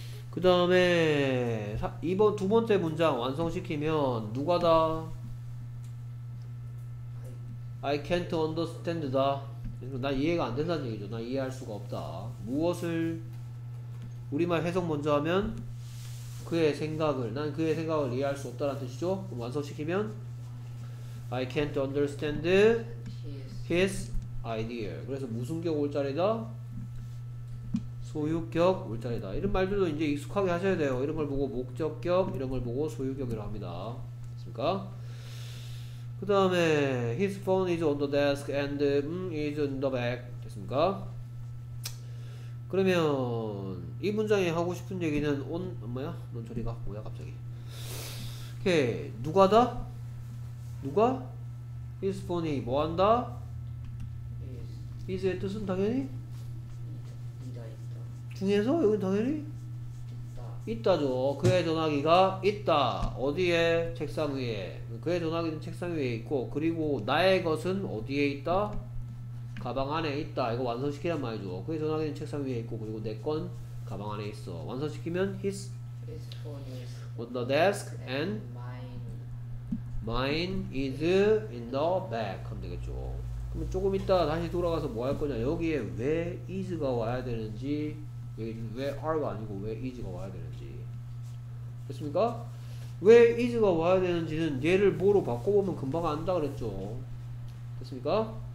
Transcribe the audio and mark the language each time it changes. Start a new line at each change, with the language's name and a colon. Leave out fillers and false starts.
Korean: 그 다음에 이번 두 번째 문장 완성시키면 누가다?
English: I can't understand 다.
Korean: 나 이해가 안 된다는 얘기죠. 나 이해할 수가 없다. 무엇을 우리말 해석 먼저 하면 그의 생각을 난 그의 생각을 이해할 수 없다는 뜻이죠. 그럼 완성시키면
English: I can't understand his idea.
Korean: 그래서 무슨 격 올자리다? 소유격 울자리다. 이런 말들도 이제 익숙하게 하셔야 돼요. 이런 걸 보고 목적격, 이런 걸 보고 소유격이라고 합니다. 됐습니까?
English: 그 다음에 His phone is on the desk and is in the bag.
Korean: 됐습니까? 그러면 이 문장이 하고 싶은 얘기는 온 뭐야? 넌 저리가 뭐야 갑자기. 오케이. 누가다? 누가?
English: His phone이 뭐한다?
Korean: Is의 뜻은 당연히? 중에서? 여긴 당연히? 있다. 있다죠. 그의 전화기가 있다. 어디에? 책상 위에. 그의 전화기는 책상 위에 있고 그리고 나의 것은 어디에 있다? 가방 안에 있다. 이거 완성시키란 말이죠. 그의 전화기는 책상 위에 있고 그리고 내 건 가방 안에 있어. 완성시키면
English: His phone is on the desk and mine is in the bag
Korean: 하면 되겠죠. 그럼 조금 이따 다시 돌아가서 뭐 할 거냐. 여기에 왜 is가 와야 되는지 왜 are가 아니고 왜 is가 와야 되는지 됐습니까? 왜 is가 와야 되는지는 얘를 뭐로 바꿔보면 금방 안다 그랬죠. 됐습니까?